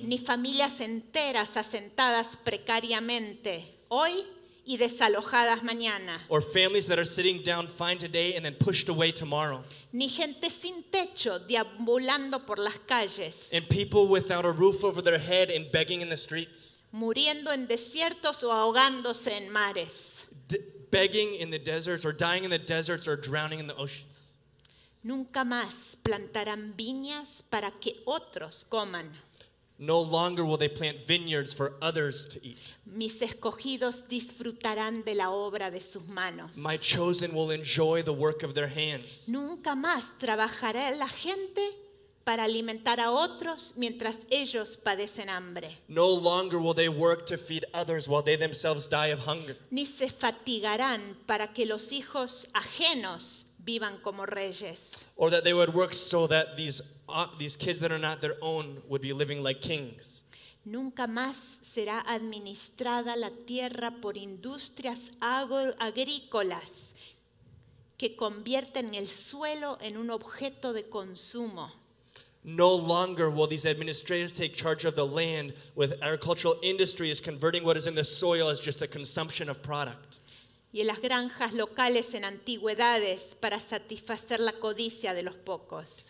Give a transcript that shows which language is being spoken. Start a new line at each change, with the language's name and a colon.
Spanish: Ni familias enteras asentadas precariamente hoy y desalojadas mañana.
English: Or families that are sitting down fine today and then pushed away tomorrow.
Spanish: Ni gente sin techo deambulando por las calles.
English: And people without a roof over their head and begging in the streets.
Spanish: Muriendo en desiertos o ahogándose en mares.
English: Begging in the deserts or dying in the deserts or drowning in the oceans.
Spanish: Nunca más plantarán viñas para que otros coman.
English: No longer will they plant vineyards for others to eat.
Spanish: Mis escogidos disfrutarán de la obra de sus manos.
English: My chosen will enjoy the work of their hands.
Spanish: Nunca más trabajará la gente para alimentar a otros mientras ellos padecen hambre.
English: No longer will they work to feed others while they themselves die of hunger.
Spanish: Ni se fatigarán para que los hijos ajenos vivan como reyes.
English: Or that they would work so that these kids that are not their own would be living like kings.
Spanish: Nunca más será administrada la tierra por industrias agrícolas que convierten el suelo en un objeto de consumo.
English: No longer will these administrators take charge of the land with agricultural industries converting what is in the soil as just a consumption of product.
Spanish: Y en las granjas locales en antigüedades para satisfacer la codicia de los pocos.